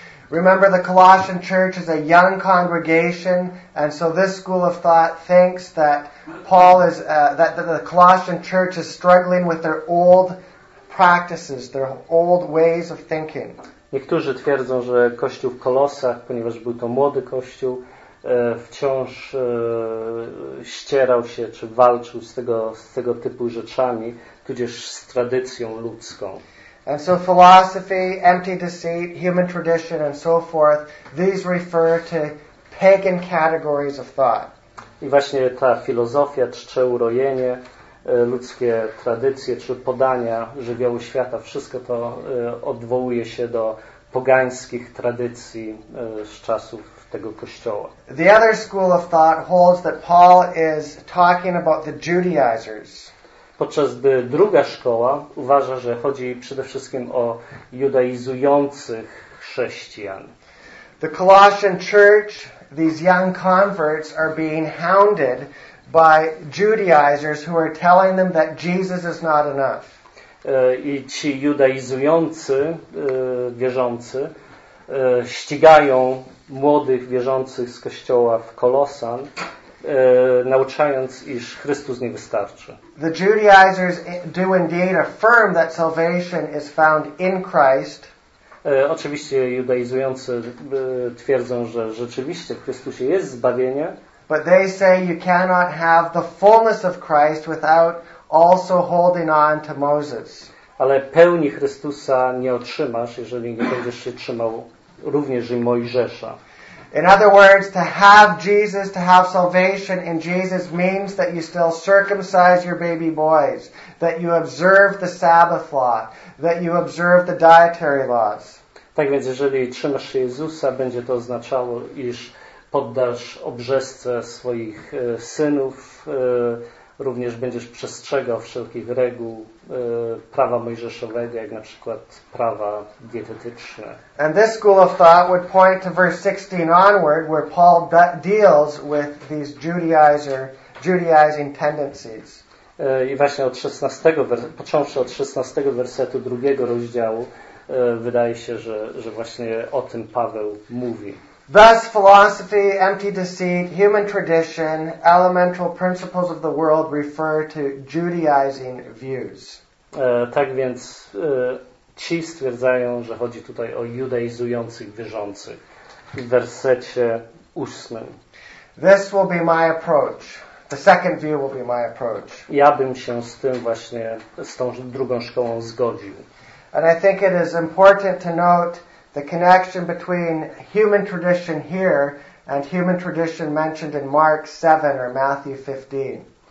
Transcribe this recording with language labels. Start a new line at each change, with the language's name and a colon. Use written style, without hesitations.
English: Remember, the Colossian church is a young congregation, and so this school of thought thinks that Paul is that the Colossian church is struggling with their old practices, their old ways of thinking.
Polish: Niektórzy twierdzą, że kościół w Kolosach, ponieważ był to młody kościół, wciąż ścierał się czy walczył z tego typu rzeczami, tudzież z tradycją ludzką.
English: And so philosophy, empty deceit, human tradition and so forth, these refer to pagan categories of thought.
Polish: I właśnie ta filozofia, czcze urojenie, ludzkie tradycje czy podania żywiołu świata, wszystko to odwołuje się do pogańskich tradycji z czasów tego kościoła.
English: The other school of thought holds that Paul is talking about the Judaizers.
Polish: Podczas gdy druga szkoła uważa, że chodzi przede wszystkim o judaizujących chrześcijan.
English: The Colossian church, these young converts are being hounded by Judaizers who are telling them that Jesus is not enough.
Polish: I ci judaizujący wierzący ścigają młodych wierzących z kościoła w Kolosan, nauczając, iż Chrystus nie wystarczy.
English: The Judaizers do indeed affirm that salvation is found in Christ,
Polish: Oczywiście judaizujący twierdzą, że rzeczywiście w Chrystusie jest zbawienie.
English: But they say you cannot have the fullness of Christ without also holding on to Moses.
Polish: Ale pełni Chrystusa nie otrzymasz, jeżeli nie będziesz się trzymał również i Mojżesza.
English: In other words, to have Jesus, to have salvation in Jesus means that you still circumcise your baby boys, that you observe the Sabbath law, that you observe the dietary laws.
Polish: Tak więc, jeżeli trzymasz się Jezusa, będzie to oznaczało, iż poddasz obrzestce swoich synów, również będziesz przestrzegał wszelkich reguł prawa mojżeszowego, jak na przykład prawa dietetyczne.
English: And this school of thought would point to verse 16 onward, where Paul deals with these Judaizing tendencies.
Polish: I właśnie od 16, począwszy od 16 wersetu drugiego rozdziału, wydaje się, że właśnie o tym Paweł mówi.
English: Thus, philosophy, empty deceit, human tradition, elemental principles of the world refer to Judaizing views.
Polish: Tak więc ci stwierdzają, że chodzi tutaj o judaizujących wierzących. W wersecie 8.
English: This will be my approach. The second view will be my approach.
Polish: Ja bym się z tym właśnie, z tą drugą szkołą zgodził.
English: And I think it is important to note the connection between human tradition here and human tradition mentioned in Mark 7 or Matthew 15.